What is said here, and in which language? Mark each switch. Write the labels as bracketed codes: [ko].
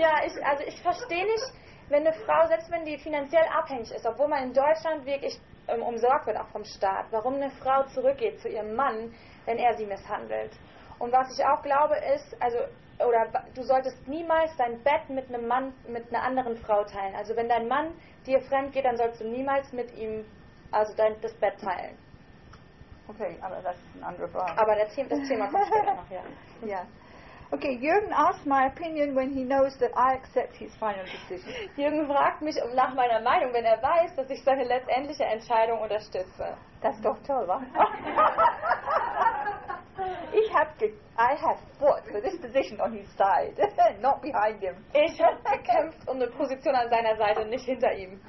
[de] Ja, ich verstehe nicht, wenn eine Frau, selbst wenn die finanziell abhängig ist, obwohl man in Deutschland wirklich umsorgt wird, auch vom Staat, warum eine Frau zurückgeht zu ihrem Mann, wenn er sie misshandelt. Und was ich auch glaube ist, also, oder du solltest niemals dein Bett mit einem Mann, mit einer anderen Frau teilen. Also wenn dein Mann dir fremd geht, dann sollst du niemals mit ihm, also das Bett teilen. Okay, aber das ist ein anderer Frage. Aber das Thema kommt später noch, ja. [en] Yeah. Okay, Jürgen asked my opinion when he knows that I accept his final decision. [de] Jürgen fragt mich nach meiner Meinung, wenn er weiß, dass ich seine letztendliche Entscheidung unterstütze. Das ist doch toll, wa? [en] I have fought for this position on his side, not behind him. [de] Ich habe gekämpft um eine Position an seiner Seite, nicht hinter ihm.